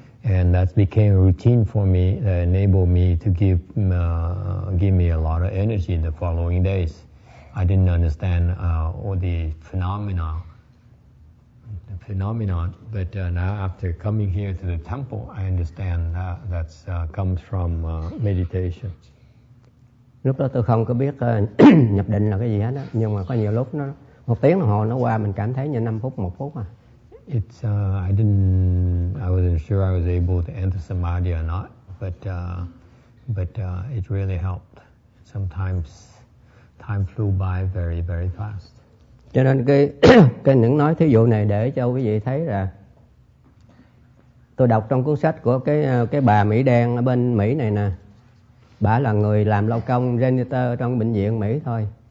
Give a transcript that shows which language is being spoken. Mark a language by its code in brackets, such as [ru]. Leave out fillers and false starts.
[en] And that became a routine for me that enabled me to give me a lot of energy in the following days. I didn't understand all the phenomenon, but now after coming here to the temple, I understand that comes from meditation. [vi] Lúc đó tôi không có biết nhập định là cái gì hết đó. Nhưng mà có nhiều lúc nó một tiếng đồng hồ nó qua mình cảm thấy như 5 phút 1 phút à. [en] It's I wasn't sure I was able to enter samadhi or not, but it really helped. Sometimes time flew by very very fast. [vi] Cho nên cái những nói thí dụ này để cho quý vị thấy là tôi đọc trong cuốn sách của cái bà Mỹ Đen ở bên Mỹ này nè. Bà là người làm lao công janitor trong bệnh viện Mỹ thôi.